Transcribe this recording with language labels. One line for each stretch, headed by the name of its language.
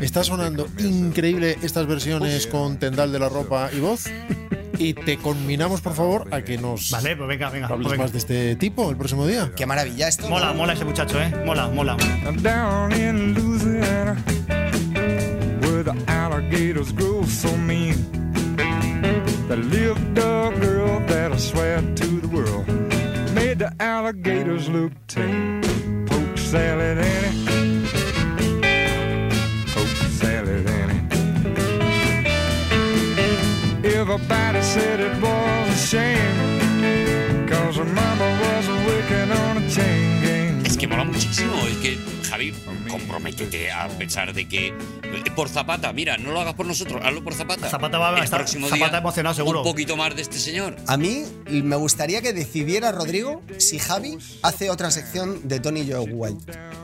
Spanish: Está sonando increíble estas versiones con tendal de la ropa y voz. Y te conminamos, por favor, a que nos hables más de este tipo el próximo día. ¡Qué maravilla esto! Mola, mola ese muchacho, ¿eh? Mola.
English: Down in Louisiana, where the alligators grow so mean, the little dog girl that I swear to the world made the alligators look tame. Poke salad, Annie. Everybody said it was a shame, 'cause her mama was working on a chain gang.
Spanish: Es que mola muchísimo, es que Javi, comprométete a pensar de que por Zapata, mira, no lo hagas por nosotros, hazlo por Zapata. Zapata va a estar emocionado, seguro. Un poquito más de este señor. A mí me gustaría que decidiera Rodrigo si Javi hace otra sección de Tony Joe White.